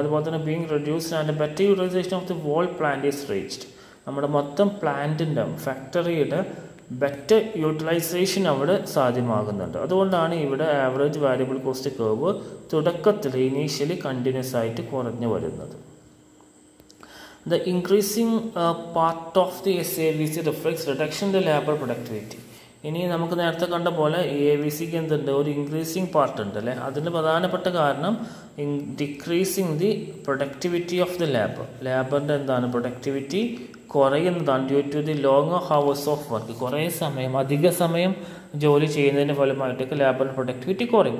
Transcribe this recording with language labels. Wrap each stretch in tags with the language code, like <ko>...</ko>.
<ml>അതുപോലെ തന്നെ</ml> <en>Being reduced and better utilisation of the whole plant is reached.</en> <ml>നമ്മുടെ മൊത്തം പ്ലാന്റിൻ്റെ ഫാക്ടറിയുടെ ബെറ്റർ യൂട്ടിലൈസേഷൻ അവിടെ സാധ്യമാകുന്നുണ്ട്. അതുകൊണ്ടാണ് ഇവിടെ ആവറേജ് വാല്യബിൾ കോസ്റ്റ് കർവ് തുടക്കത്തിൽ ഇനീഷ്യലി കണ്ടിന്യൂസ് ആയിട്ട് കുറഞ്ഞു വരുന്നത്.</ml> <en>The increasing part of the SAVC reflects reduction in the labor productivity.</en> <ml>ഇനി നമുക്ക് നേരത്തെ കണ്ട പോലെ AVC-ക്ക് എന്തുണ്ട്, ഒരു ഇൻക്രീസിങ് പാർട്ട് ഉണ്ട് അല്ലേ. അതിൻ്റെ പ്രധാനപ്പെട്ട കാരണം</ml> <en>Decreasing the productivity of the labour.</en> <ml>ലേബറിൻ്റെ എന്താണ് പ്രൊഡക്ടിവിറ്റി കുറയുന്നതാണ്</ml> <en>Due to the long hours of work.</en> <ml>കുറേ സമയം, അധിക സമയം ജോലി ചെയ്യുന്നതിൻ്റെ ഫലമായിട്ടൊക്കെ ലേബറിൻ്റെ പ്രൊഡക്ടിവിറ്റി കുറയും.</ml>